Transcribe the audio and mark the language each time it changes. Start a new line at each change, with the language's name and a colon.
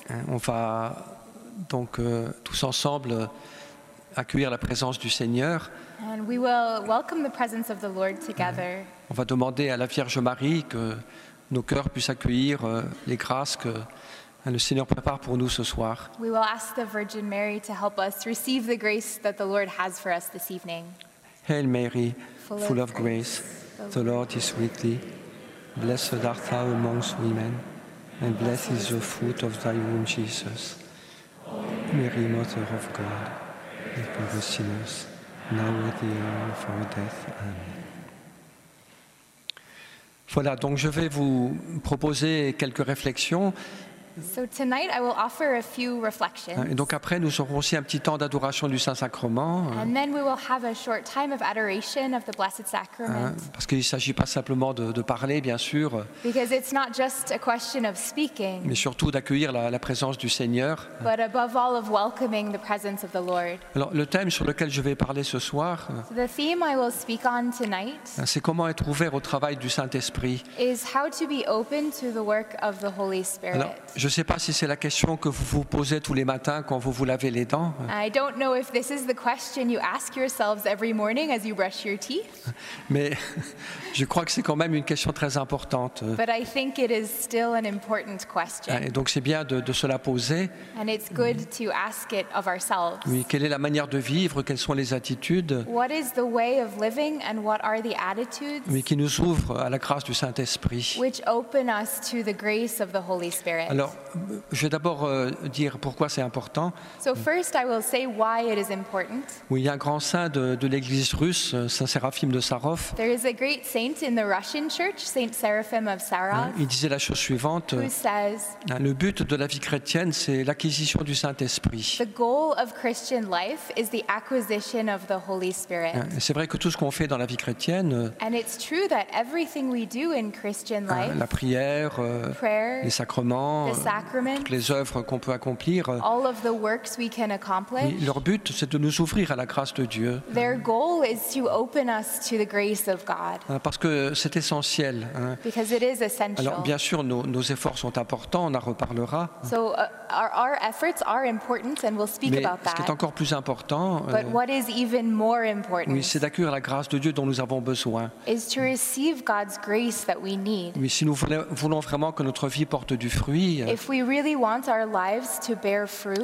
French: On va donc tous ensemble accueillir la présence du Seigneur.
English: And we will welcome the presence of the Lord together.
French: On va demander à la Vierge Marie que nos cœurs puissent accueillir les grâces que le Seigneur prépare pour nous ce soir.
English: We will ask the Virgin Mary to help us receive the grace that the Lord has for us this evening. Hail Mary, full of grace, the Lord is with thee. Blessed art thou amongst women, and blessed is the fruit of thy womb, Jesus. Mary, Mother of God, pray for us sinners, now at the hour of our death. Amen.
French: Voilà, donc je vais vous proposer quelques réflexions
English: So tonight I will offer a few reflections.
French: Et donc après nous aurons aussi un petit temps d'adoration du Saint-Sacrement.
English: And then we will have a short time of adoration of the Blessed Sacrament. Hein?
French: Parce qu'il ne s'agit pas simplement de parler, bien sûr.
English: Because it's not just a question of speaking.
French: Mais surtout d'accueillir la présence du Seigneur.
English: But above all of welcoming the presence of the Lord.
French: Alors le thème sur lequel je vais parler ce soir.
English: So the theme I will speak on tonight.
French: C'est comment être ouvert au travail du Saint-Esprit.
English: Is how to be open to the work of the Holy Spirit.
French: Alors, je ne sais pas si c'est la question que vous vous posez tous les matins quand vous vous lavez les dents.
English: I don't know if this is the question you ask yourselves every morning as you brush your teeth.
French: Mais je crois que c'est quand même une question très importante.
English: But I think it is still an important question.
French: Et donc c'est bien de se la poser.
English: And it's good to ask it of ourselves.
French: Oui, quelle est la manière de vivre, quelles sont les attitudes?
English: What is the way of living and what are the attitudes?
French: Oui, qui nous ouvre à la grâce du Saint-Esprit.
English: Which open us to the grace of the Holy Spirit.
French: Alors, je vais d'abord dire pourquoi c'est important.
English: So first I will say why it is important.
French: Oui, il y a un grand saint de l'église russe, Saint Séraphim de Sarov.
English: There is a great saint in the Russian church, Saint Seraphim of Sarov.
French: Il disait la chose suivante.
English: Who says,
French: le but de la vie chrétienne, c'est l'acquisition du Saint-Esprit.
English: The goal of Christian life is the acquisition of the Holy Spirit.
French: C'est vrai que tout ce qu'on fait dans la vie chrétienne,
English: and it's true that everything we do in Christian life,
French: la prière,
English: prayer,
French: les sacrements,
English: the sacraments,
French: toutes les œuvres qu'on peut accomplir,
English: all of the works we can accomplish,
French: leur but c'est de nous ouvrir à la grâce de Dieu.
English: Their goal is to open us to the grace of God.
French: Parce que c'est essentiel.
English: Because it is essential.
French: Alors bien sûr nos efforts sont importants, on en reparlera.
English: So our efforts are important and we'll speak about that.
French: Mais ce qui est encore plus important,
English: but what is even more important,
French: oui, c'est d'accueillir la grâce de Dieu dont nous avons besoin.
English: Is to receive God's grace that we need.
French: Oui, si nous voulons vraiment que notre vie porte du fruit.
English: If we really want our lives to bear fruit,